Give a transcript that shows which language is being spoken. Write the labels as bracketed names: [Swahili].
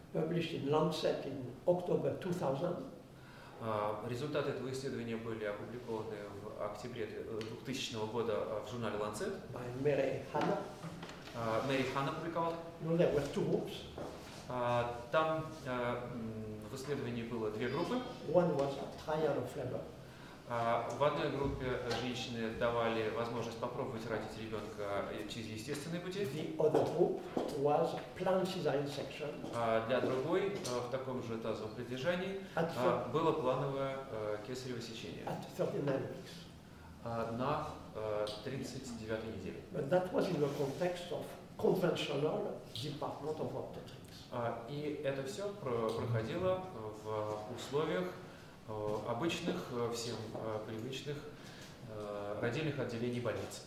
[English] Published in Lancet in October 2000. [Russian] Результаты этого исследования были опубликованы в октябре 2000 года в журнале Lancet. [English] By Mary Hanna. [Russian] Мэри Хан опубликовал. [English] No, there were two groups. [Russian] Там в исследовании было две группы. [English] One was a trial of labor. [Russian] В одной группе женщины давали возможность попробовать родить ребенка через естественные пути. [English] The other group was planned cesarean section. [Russian] Для другой, в таком же тазовом предлежании, было плановое кесарево сечение. [English] At 39 weeks. [Russian] На 39-й неделе. [English] But that was in the context of conventional department of obstetrics. [Russian] И это все проходило в условиях обычных, всем привычных родильных отделений больниц.